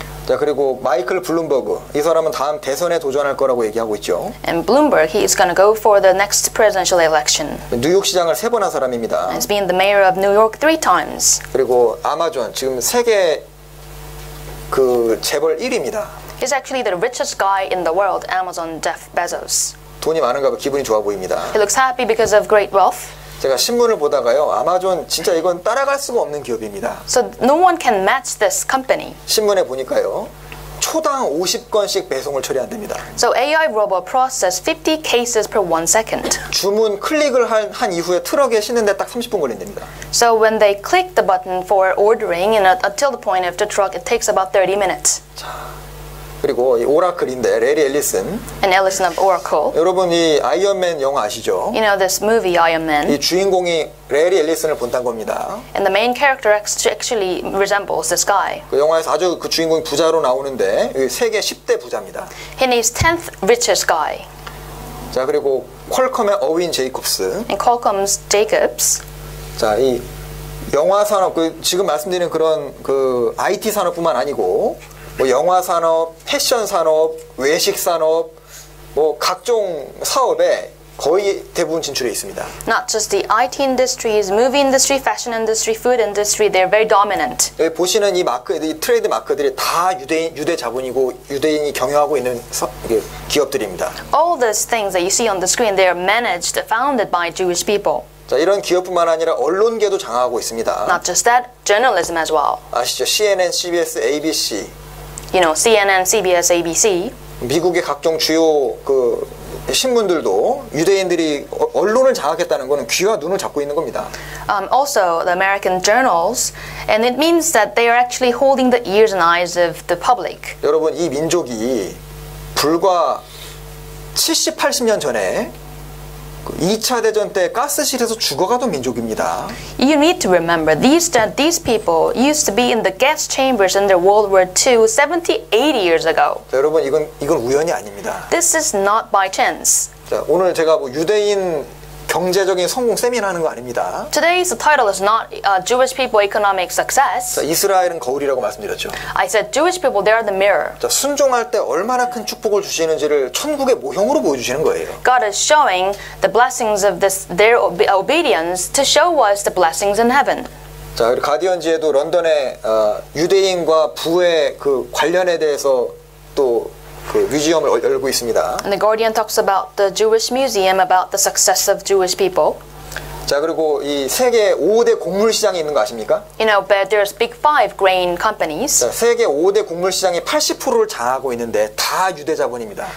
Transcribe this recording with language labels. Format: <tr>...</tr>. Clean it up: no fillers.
<ko>자, 그리고 마이클 블룸버그. 이 사람은 다음 대선에 도전할 거라고 얘기하고 있죠.</ko> <en>And Bloomberg, he is going to go for the next presidential election.</en> <ko>뉴욕 시장을 세 번 한 사람입니다.</ko> <en>He's been the mayor of New York 3 times.</en> <ko>그리고 아마존 지금 세계 그 재벌 1위입니다.</ko> <en>He's actually the richest guy in the world, Amazon Jeff Bezos.</en> <ko>돈이 많은가 봐 기분이 좋아 보입니다.</ko> <en>He looks happy because of great wealth.</en> <ko>제가 신문을 보다가요, 아마존 진짜 이건 따라갈 수가 없는 기업입니다.</ko> <en>So no one can match this company.</en> <ko>신문에 보니까요, 초당 50건씩 배송을 처리한답니다.</ko> <en>So AI robot process 50 cases per 1 second.</en> <ko>주문 클릭을 한 이후에 트럭에 싣는데 딱 30분 걸린답니다.</ko> <en>So when they click the button for ordering and until the point of the truck, it takes about 30 minutes.</en> <ko>자. 그리고 이 오라클인데 레리 엘리슨.</ko> <en>An Ellison of Oracle.</en> <ko>여러분 이 아이언맨 영화 아시죠?</ko> <en>You know this movie Iron Man.</en> <ko>이 주인공이 레리 엘리슨을 본단 겁니다.</ko> <en>And the main character actually resembles this guy.</en> <ko>그 영화에서 아주 그 주인공이 부자로 나오는데 세계 10대 부자입니다.</ko> <en>He is 10th richest guy.</en> <ko>자, 그리고 퀄컴의 어윈 제이콥스.</ko> <en>And Qualcomm's Jacobs.</en> <ko>자, 이 영화 산업 그 지금 말씀드리는 그런 그 IT 산업뿐만 아니고 뭐 영화 산업, 패션 산업, 외식 산업, 뭐 각종 사업에 거의 대부분 진출해 있습니다.</ko> <en>Not just the IT industries, movie industry, fashion industry, food industry, they're very dominant.</en> <ko>예, 보시는 이 마크, 이 트레이드 마크들이 다 유대 자본이고 유대인이 경영하고 있는 기업들입니다.</ko> <en>All these things that you see on the screen, they are managed, founded by Jewish people.</en> <ko>자, 이런 기업뿐만 아니라 언론계도 장악하고 있습니다.</ko> <en>Not just that, journalism as well.</en> <ko>아시죠? CNN, CBS, ABC.</ko> <en>You know, CNN, CBS, ABC.</en> <ko>미국의 각종 주요 그 신문들도 유대인들이 언론을 장악했다는 것은 귀와 눈을 잡고 있는 겁니다.</ko> <en>Also, the American journals, and it means that they are actually holding the ears and eyes of the public.</en> <ko>여러분, 이 민족이 불과 70, 80년 전에 2차 대전 때 가스실에서 죽어가던 민족입니다.</ko> <en>You need to remember these people used to be in the gas chambers under World War II 70, 80 years ago.</en> <ko>자, 여러분 이건 우연이 아닙니다.</ko> <en>This is not by chance.</en> <ko>자, 오늘 제가 뭐 유대인 경제적인 성공 세미나 하는 거 아닙니다.</ko> <en>Today's title is not Jewish people economic success.</en> <ko>자, 이스라엘은 거울이라고 말씀드렸죠.</ko> <en>I said Jewish people, they are the mirror.</en> <ko>자, 순종할 때 얼마나 큰 축복을 주시는지를 천국의 모형으로 보여주시는 거예요.</ko> <en>God is showing the blessings of this their obedience to show us the blessings in heaven.</en> <ko>자, 그리고 가디언지에도 런던의 유대인과 부의 그 관련에 대해서 또 그 뮤지엄을 열고 있습니다.</ko> <en>And the Guardian talks about the Jewish Museum about the success of Jewish people.</en> <ko>자, 그리고 이 세계 5대 곡물 시장이 있는 거 아십니까?</ko> <en>You know, but there's big five grain companies.</en> <ko>자, 세계 5대 곡물 시장의 80%를 장악하고 있는데 다 유대 자본입니다.</ko>